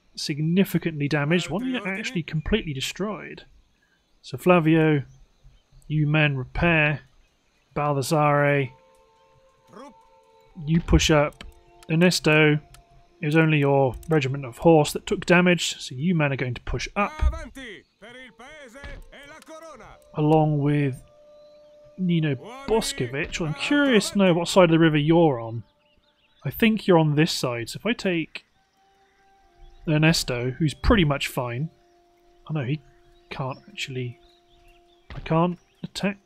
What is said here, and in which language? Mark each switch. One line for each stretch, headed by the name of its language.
English: Significantly damaged. One unit actually completely destroyed. So Flavio, you men repair. Baldassare, you push up. Ernesto, it was only your regiment of horse that took damage, so you men are going to push up.
Italian: Avanti, per il paese e la corona.
English: Along with Nino Boscovic. Well, I'm curious to know what side of the river you're on. I think you're on this side, so if I take Ernesto, who's pretty much fine. Oh no, he can't actually. I can't attack.